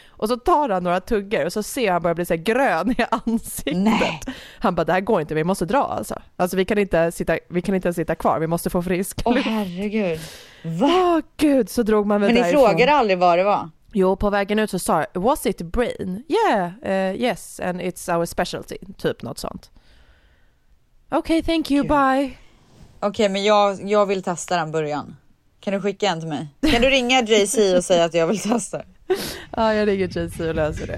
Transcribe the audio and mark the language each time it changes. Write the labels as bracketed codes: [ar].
[sv] Och så tar han några tuggar och så ser han bara bli så här grön i ansiktet. Nej. Han bara, det här går inte, vi måste dra alltså. Alltså vi kan inte sitta kvar, vi måste få frisk luft. Åh herregud. Va? Åh gud, så drog man väl men därifrån. Men ni frågade aldrig vad det var. Jo, på vägen ut så sa jag, [en] was it brain? Yeah, yes, and it's our specialty. [sv] Typ något sånt. [en] Okay, thank you, bye. [sv] Okay, men jag vill testa den början. Kan du skicka en till mig? Kan du ringa JC och säga att jag vill testa? Ja, jag ringer JC och löser det.